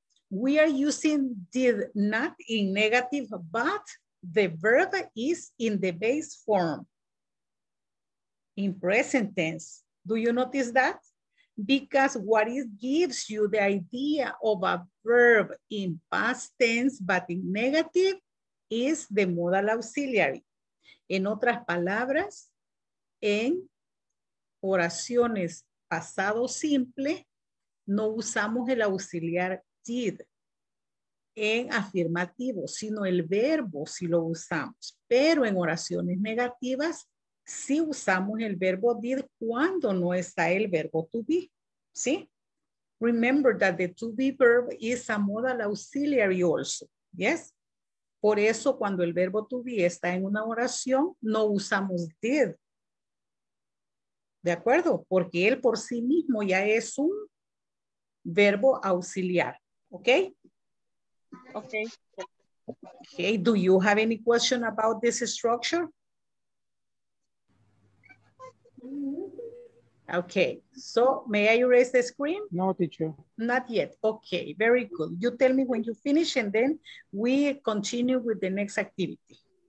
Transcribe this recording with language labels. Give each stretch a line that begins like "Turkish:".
English: We are using did not in negative, but the verb is in the base form in present tense. Do you notice that? Because what it gives you the idea of a verb in past tense, but in negative, is the modal auxiliary.
Spanish: En otras palabras, en oraciones pasado simple, no usamos el auxiliar did en afirmativo, sino el verbo si lo usamos. Pero en oraciones negativas, sí usamos el verbo did cuando no está el verbo to be. ¿Sí?
English: Remember that the to be verb is a modal auxiliary also. ¿Yes?
Spanish: Por eso cuando el verbo to be está en una oración, no usamos did. ¿De acuerdo? Porque él por sí mismo ya es un verbo auxiliar.
English: ¿Ok? Okay. Do you have any question about this structure? Okay. So may I erase the screen? No, teacher. Not yet. Okay. Very good. You tell me when you finish and then we continue with the next activity.